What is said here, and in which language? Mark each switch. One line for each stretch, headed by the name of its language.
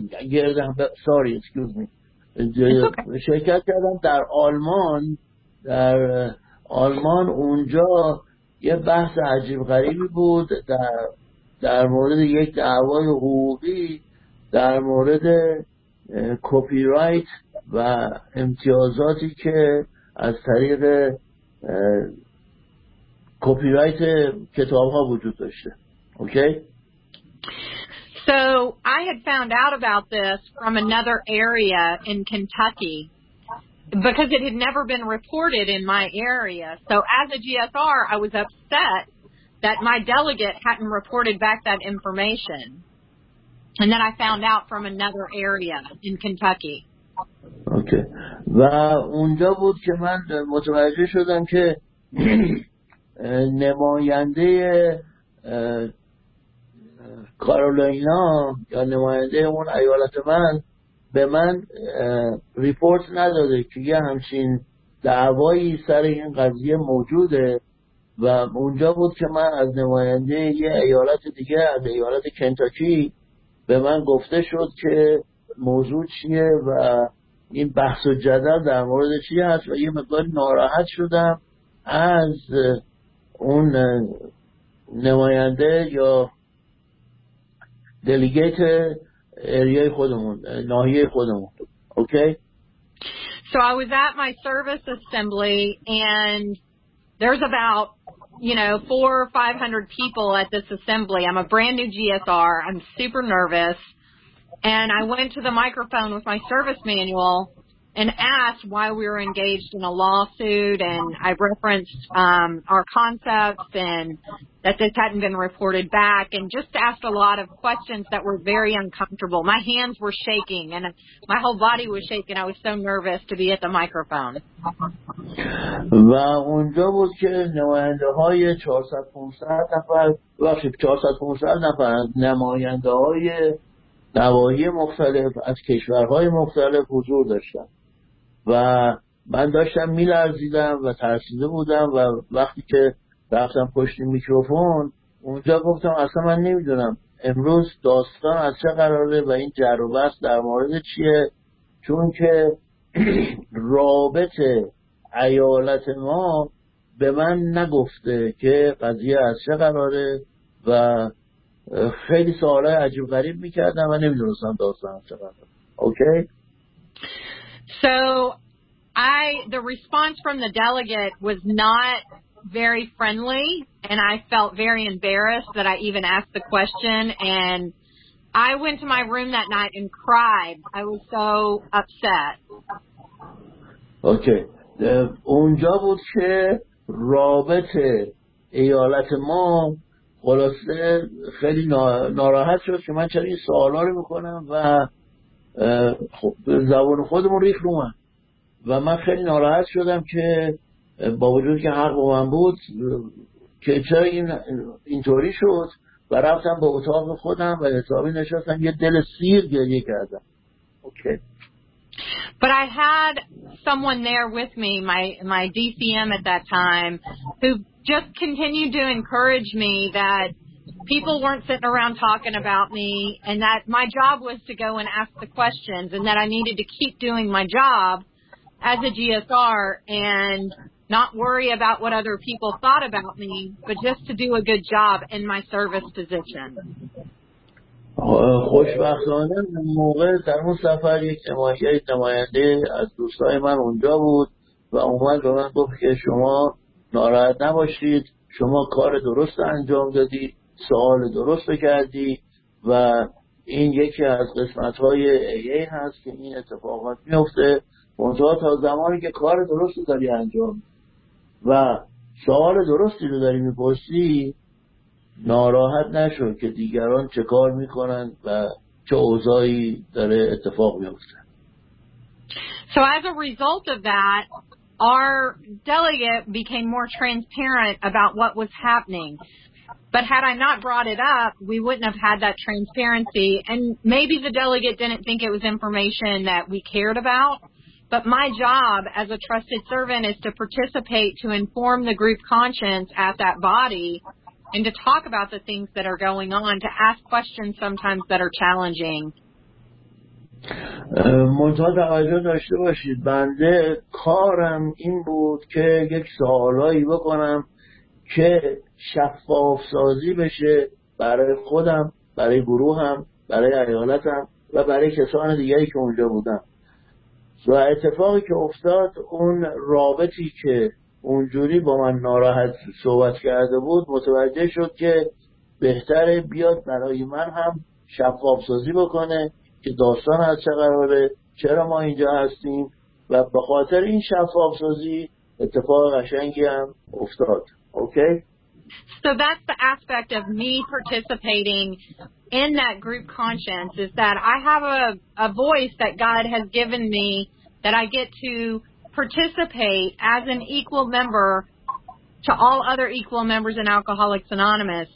Persian: گردم
English: sorry excuse me
Persian: شرکت کردم در آلمان، در آلمان اونجا یه بحث عجیب غریبی بود در مورد یک دعوای حقوقی در مورد کپی رایت و امتیازاتی که از طریق کپی رایت کتاب‌ها وجود داشته. اوکی؟
English: So I had found out about this from another area in Kentucky because it had never been reported in my area. So as a GSR I was upset that my delegate hadn't reported back that information. And then I found out from another area in Kentucky. Okay.
Persian: و اونجا بود که من متوجه شدم که نماینده کارولینا یا نماینده اون ایالت من به من ریپورت نداده که یه همچین دعوایی سر این قضیه موجوده. و اونجا بود که من از نماینده یه ایالت دیگه از ایالت کنتاکی به من گفته شد که موضوع چیه و این بحث و جدل در مورد چی هست و یه مقدار ناراحت شدم از اون نماینده یا دلیگیت ایریای خودمون، ناحیه خودمون. اوکی؟
English: So I was at my service assembly and there's about, you know, 400 or 500 people at this assembly. I'm a brand new GSR. I'm super nervous. And I went to the microphone with my service manual and asked why we were engaged in a lawsuit. And I referenced our concepts and that this hadn't been reported back and just asked a lot of questions that were very uncomfortable. My hands were shaking and my whole body was shaking. I was so nervous to be at the microphone.
Persian: و اونجا بود که نماینده های 400-500 نفر وقتی 400-500 نفر نماینده های نواحی مختلف از کشورهای مختلف حضور داشتن و من داشتم میلرزیدم و ترسیده بودم و وقتی که رفتم پشت میکروفون اونجا گفتم اصلا من نمیدونم امروز داستان از چه قراره و این جر و بحث در مورد چیه، چون که رابطه ایالت ما به من نگفته که قضیه از چه قراره و خیلی سوالای عجیب غریب میکردم و نمیدونستم داستان از چه قراره. اوکی؟
English: So the response from the delegate was not very friendly, and I felt very embarrassed that I even asked the question, and I went to my room that night and cried. I was so upset. Okay.
Persian: اونجا بود که رابطه ایالت ما خلاصه خیلی ناراحت شد که من چرا این سوالا رو میکنم و زبان خودمون ریخت رو من و من خیلی ناراحت شدم که با وجود که حق با من بود که چرا اینطوری شد و رفتم به اتاق خودم و حسابی نشستم یه دل سیر گریه کردم. اوکی.
English: But I had someone there with me, my DCM at that time, who just continued to encourage me that people weren't sitting around talking about me and that my job was to go and ask the questions and that I needed to keep doing my job as a GSR and not worry about what other people thought about me, but just to do a good job in my service position.
Persian: خوشبختانه موقع در اون سفر یک نماینده از دوستای من اونجا بود و اومد به من گفت که شما ناراحت نباشید، شما کار درست انجام دادی، سوال درست کردی و این یکی از قسمت‌های ایه هست که این اتفاقات میفته، منتها تا زمانی که کار درست داری انجام و سوال درستی رو داری میپرسی ناراحت نشو که دیگران چه کار میکنن و چه اوضاعی داره اتفاق میفته.
English: So as a result of that, our delegate became more transparent about what was happening. But had I not brought it up, we wouldn't have had that transparency. And maybe the delegate didn't think it was information that we cared about. But my job as a trusted servant is to participate to inform the group conscience at that body and to talk about the things that are going on, to ask questions sometimes that are challenging.
Persian: منتها توجه داشته باشید بنده کارم این بود که یک سوالایی بکنم که شفاف سازی بشه برای خودم، برای گروهم، برای ایالتم و برای کسان دیگری که اونجا بودن. و اتفاقی که افتاد اون رابطی که اونجوری با من ناراحت صحبت کرده بود متوجه شد که بهتره بیاد برای من هم شفاف سازی بکنه که داستان از چه قراره، چرا ما اینجا هستیم و به خاطر این شفاف سازی اتفاق قشنگی هم افتاد. اوکی؟
English: So that's the aspect of me participating in that group conscience, is that I have a voice that God has given me that I get to participate as an equal member to all other equal members in Alcoholics Anonymous.